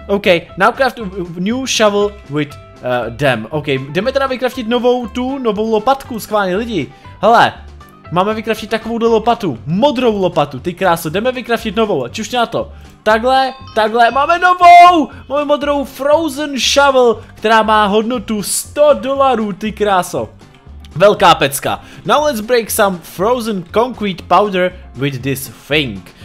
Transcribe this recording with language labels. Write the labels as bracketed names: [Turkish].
[English] OK, now craft a new shovel with them. [Czech] OK, jdeme teda vycraftit novou lopatku, schválně lidi. Hele, máme vycraftit takovouhle lopatu, modrou lopatu, ty kráso, jdeme vycraftit novou, čuš na to. Takhle, máme novou, máme modrou frozen shovel, která má hodnotu $100, ty kráso. Velká pecka. [English] Now let's break some frozen concrete powder with this thing.